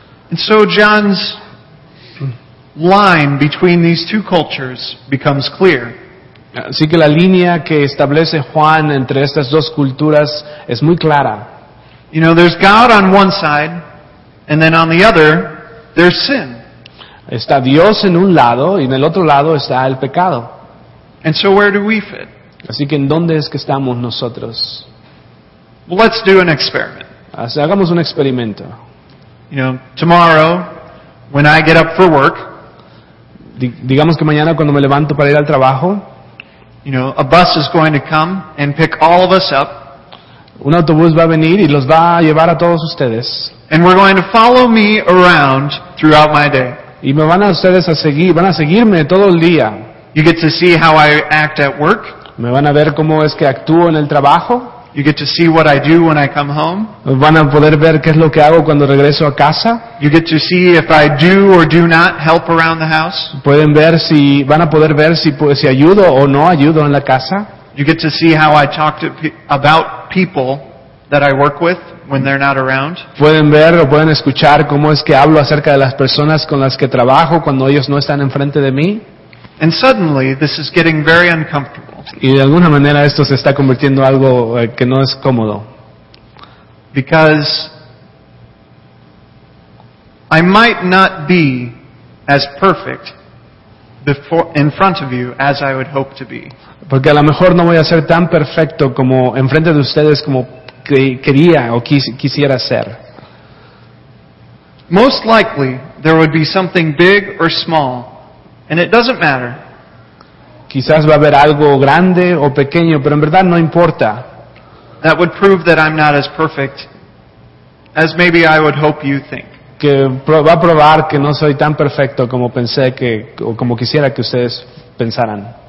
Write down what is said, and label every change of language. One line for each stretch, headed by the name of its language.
English: And so John's line between these two cultures becomes clear.
Spanish: Así que la línea que establece Juan entre estas dos culturas es muy clara.
English: You know, there's God on one side, and then on the other, there's sin.
Spanish: Está Dios en un lado, y en el otro lado está el pecado.
English: And so where do we fit?
Spanish: Así que ¿en dónde es que estamos nosotros?
English: Well, let's do an experiment.
Spanish: Así, hagamos un experimento.
English: You know, tomorrow, when I get up for work,
Spanish: digamos que mañana cuando me levanto para ir al trabajo,
English: you know, a bus is going to come and pick all of us up.
Spanish: Un autobús va a venir y los va a llevar a todos ustedes.
English: And we're going to follow me around throughout my day.
Spanish: Y me van a ustedes a seguir, van a seguirme todo el día.
English: You get to see how I act at work.
Spanish: Me van a ver cómo es que actúo en el trabajo.
English: You get to see what I do when I come home.
Spanish: Van a poder ver qué es lo que hago cuando regreso a casa.
English: You get to see if I do or do not help around the house.
Spanish: Pueden ver si, van a poder ver si ayudo o no ayudo en la casa.
English: You get to see how I talk about people that I work with when they're not around.
Spanish: Pueden ver o pueden escuchar cómo es que hablo acerca de las personas con las que trabajo cuando ellos no están enfrente de mí.
English: And suddenly, this is getting very uncomfortable.
Spanish: Y de alguna manera esto se está convirtiendo en algo que no es cómodo.
English: Because I might not be as perfect, before, in front of you as I would hope to be.
Spanish: Porque a lo mejor no voy a ser tan perfecto como enfrente de ustedes como quería o quisiera ser.
English: Most likely there would be something big or small, and it doesn't matter.
Spanish: Quizás va a haber algo grande o pequeño, pero en verdad no importa.
English: That would prove that I'm not as perfect as maybe I would hope you think.
Spanish: Que va a probar que no soy tan perfecto como pensé que o como quisiera que ustedes pensaran.